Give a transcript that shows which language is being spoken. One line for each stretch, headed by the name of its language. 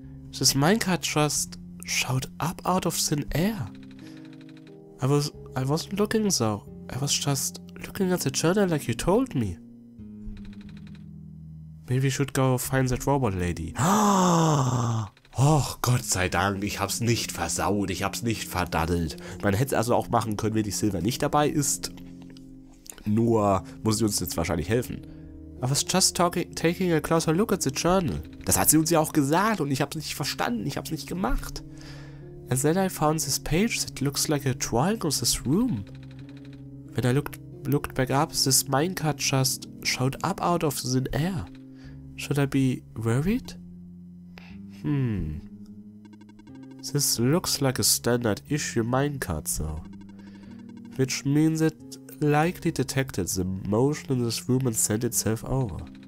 English: This minecart just showed up out of thin air. I wasn't looking so. I was just looking at the journal like you told me. Maybe we should go find that robot lady.
German: Och, Gott sei Dank, ich hab's nicht versaut, ich hab's nicht verdaddelt. Man hätte es also auch machen können, wenn die Silver nicht dabei ist. Nur muss sie uns jetzt wahrscheinlich helfen.
English: I was just taking a closer look at the journal.
German: Das hat sie uns ja auch gesagt und ich hab's nicht verstanden, ich hab's nicht gemacht.
English: And then I found this page that looks like a triangle in this room. When I looked back up, this minecart just showed up out of thin air. Should I be worried? This looks like a standard issue minecart, though. Which means it likely detected the motion in this room and sent itself over.